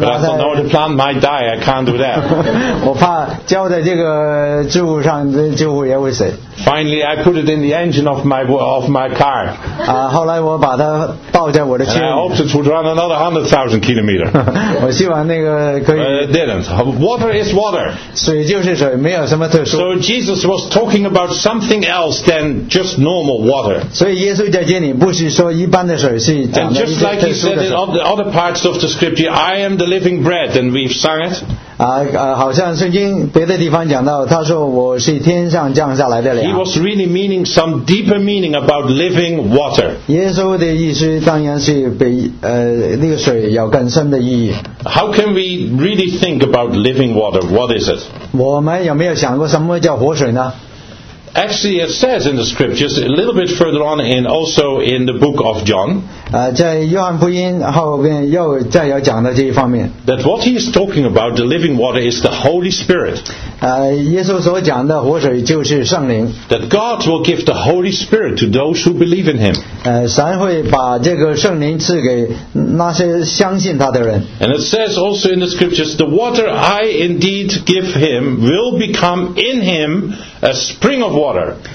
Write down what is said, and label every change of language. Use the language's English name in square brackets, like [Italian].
[English] But I thought, no, the plant might die. I can't do that. [Chinese] 我怕浇在这个植物上，植物也会死。 [English] Finally, I put it in the engine of my car. [Chinese] 后来我把它倒在我的车。 [English] And I hoped it would run another 100,000 kilometers. [Chinese] 我希望那个可以。 [English] But it didn't. Water is water. [Chinese] 水就是水，没有什么特殊。 [English] So Jesus was talking about something else than just normal water. [Chinese] 所以耶稣在这里不是说一般的水，是讲的。 [English] And just like he said in other parts of the scripture, "I am the living bread," and we've sung it. [Chinese] 好像圣经别的地方讲到，他说我是天上降下来的粮。 [English] He was really meaning some deeper meaning about living water. [Chinese] 耶稣的意思当然是比那个水有更深的意义。 [English] How can we really think about living water? What is it? [Chinese] 我们有没有想过什么叫活水呢？ [English] Actually, it says in the scriptures a little bit further on, and also in the book of John. [Chinese] 在约翰福音后面又再有讲到这一方面。 [English] That what he is talking about, the living water, is the Holy Spirit. [Chinese] 耶稣所讲的活水就是圣灵。 [English] That God will give the Holy Spirit to those who believe in Him. [Chinese] 神会把这个圣灵赐给那些相信他的人。 [English] And it says also in the scriptures, the water I indeed give him will become in him a spring of water.